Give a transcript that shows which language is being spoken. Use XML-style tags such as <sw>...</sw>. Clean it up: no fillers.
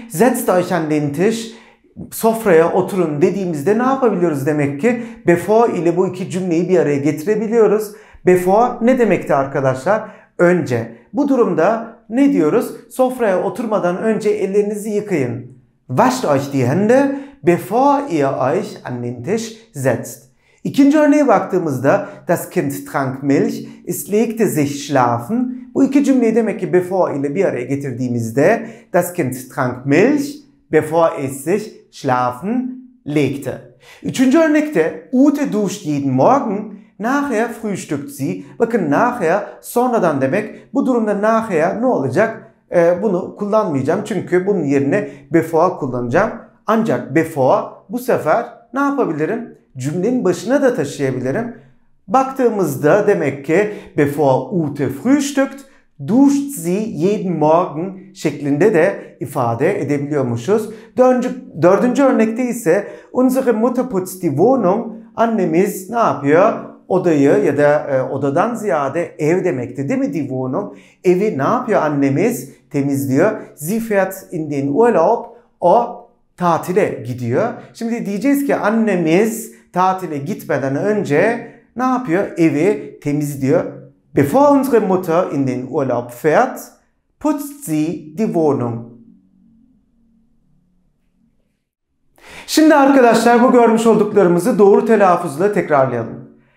<de>Setzt euch an den Tisch,</de> <tr>sofraya oturun dediğimizde ne yapabiliyoruz demek ki? Before ile bu iki cümleyi bir araya getirebiliyoruz. Before ne demekti arkadaşlar? Önce. Bu durumda ne diyoruz? Sofraya oturmadan önce ellerinizi yıkayın.</tr> <de>Wascht euch die Hände, bevor ihr euch an den Tisch setzt.</de> <tr>İkinci örneğe baktığımızda</tr> <de>das Kind trank Milch, es legte sich schlafen.</de> <tr>Bu iki cümleyi demek ki bevor ile bir araya getirdiğimizde</tr> <de>das Kind trank Milch, bevor es sich schlafen legte.</de> <tr>Üçüncü örnekte</tr> <de>Ute duscht jeden Morgen, nachher frühstückt sie.</de> <tr>Bakın nachher sonradan demek, bu durumda nachher ne olacak? Bunu kullanmayacağım çünkü bunun yerine before kullanacağım. Ancak before bu sefer ne yapabilirim? Cümlenin başına da taşıyabilirim. Baktığımızda demek ki before</tr> <de>Ute frühstückt, duscht sie jeden Morgen</de> <tr>şeklinde de ifade edebiliyormuşuz. Dördüncü örnekte ise</tr> <de>unsere Mutter putzt die Wohnung,</de> <tr>annemiz ne yapıyor? Odayı ya da odadan ziyade ev demekti değil mi die Wohnung? Evi ne yapıyor annemiz? Temizliyor.</tr> <de>Sie fährt in den Urlaub,</de> <tr>o tatile gidiyor. Şimdi diyeceğiz ki annemiz tatile gitmeden önce ne yapıyor? Evi temizliyor.</tr> <de>Bevor unsere Mutter in den Urlaub fährt, putzt sie die Wohnung.</de> <tr>Şimdi arkadaşlar bu görmüş olduklarımızı doğru telaffuzla tekrarlayalım.</tr>